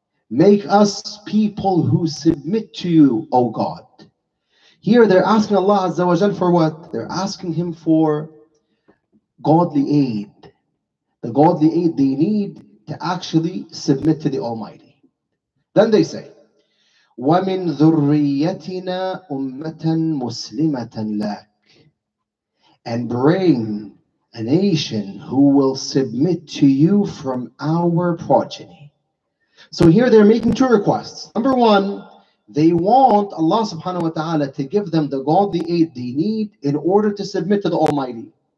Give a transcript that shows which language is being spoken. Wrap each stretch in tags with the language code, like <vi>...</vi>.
<en>Make us people who submit to you, O God. Here they're asking Allah Azza wa Jal for what? They're asking him for godly aid. The godly aid they need to actually submit to the Almighty. Then they say,</en> <ar>وَمِن ذُرِّيَّتِنَا أُمَّةً مُسْلِمَةً لَكْ.</ar> <en>And bring a nation who will submit to you from our progeny. So here they're making two requests. Number one, they want Allah subhanahu wa ta'ala to give them the godly aid they need in order to submit to the Almighty.</en>